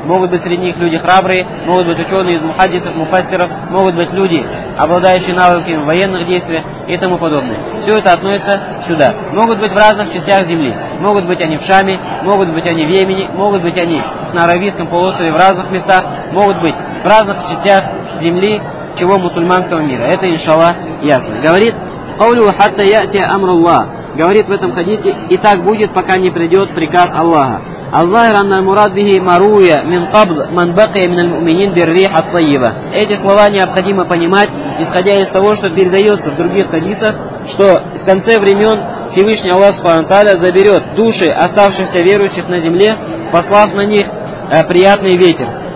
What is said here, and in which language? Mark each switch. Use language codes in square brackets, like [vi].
[ru] Могут быть среди них люди храбрые, могут быть ученые из мухаддисов, муфассиров, могут быть люди, обладающие навыками военных действий и тому подобное. Все это относится сюда. Могут быть в разных частях земли. Могут быть они в Шаме, могут быть они в Йемене, могут быть они на Аравийском полуострове в разных местах, могут быть в разных частях земли чего мусульманского мира. Это, иншаллах, ясно. Говорит [ar] قوله حتى يأتي أمر الله. [ru] Говорит в этом хадисе, и так будет, пока не придет приказ Аллаха. [ar] الظاهر أن المراد به مروية من قبل من بقي من المؤمنين بالريح الطيبة. [ru] Эти слова необходимо понимать, исходя из того, что передается в других хадисах, что в конце времен Всевышний Аллах Субхану Тааля заберет души оставшихся верующих на земле, послав на них приятный ветер.